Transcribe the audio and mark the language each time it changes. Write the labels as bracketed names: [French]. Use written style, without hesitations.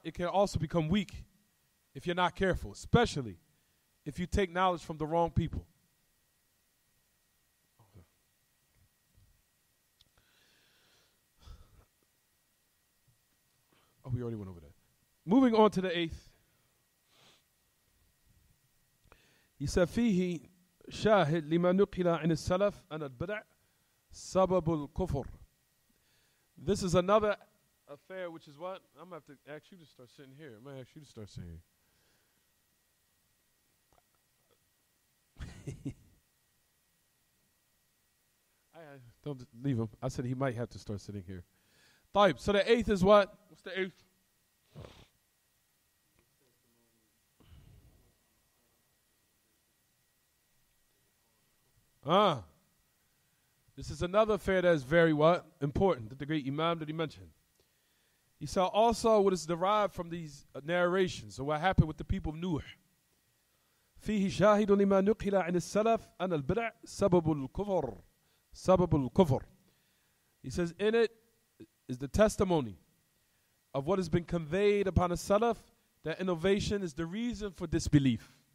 [English] It can also become weak if you're not careful, especially if you take knowledge from the wrong people. Okay. Oh, we already went over that. Moving on to the eighth. He said, [Arabic] فيه شاهد لما نقل عن السلف أن البدع سبب الكفر. [English] This is another affair, which is what? I'm going to have to ask you to start sitting here. I'm going to ask you to start sitting here. Don't leave him. I said he might have to start sitting here. Taib, so the eighth is what? What's the eighth? This is another affair that is very what? Important, that the great Imam that he mentioned. He saw also what is derived from these narrations of what happened with the people of Nuh. [Arabic] فِيهِ شَاهِدٌ لِمَا نُقِلَ عَنِ السَّلَفِ أَنَ الْبِدْعِ سَبَبُ الْكُفْرِ سَبَبُ الْكُفْرِ. [English] He says, in it is the testimony of what has been conveyed upon the Salaf, that innovation is the reason for disbelief.